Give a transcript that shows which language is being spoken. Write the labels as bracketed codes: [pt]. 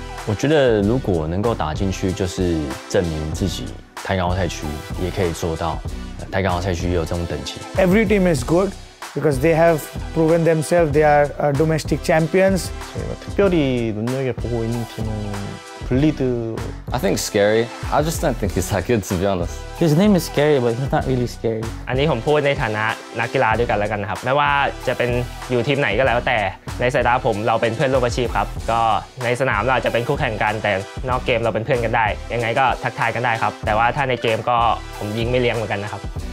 [zh] 我觉得如果能够打进去，就是证明自己泰港澳赛区也可以做到。泰港澳赛区也有这种等级。 [en] Every team is good. Because they have proven themselves, they are domestic champions. [ko] 저희가특별히눈여겨보고있는팀은블리드 [en] I think scary. I just don't think he's that good, to be honest. His name is scary, but he's not really scary. [th] อันนี้ผมพูดในฐานะนักกีฬาด้วยกันแล้วกันนะครับไม่ว่าจะเป็นอยู่ทีมไหนก็แล้วแต่ในสายตาผมเราเป็นเพื่อนร่วมอาชีพครับก็ในสนามเราจะเป็นคู่แข่งกันแต่นอกเกมเราเป็นเพื่อนกันได้ยังไงก็ทักทายกันได้ครับแต่ว่าถ้าในเกมก็ผมยิงไม่เลี้ยงเหมือนกันนะครับ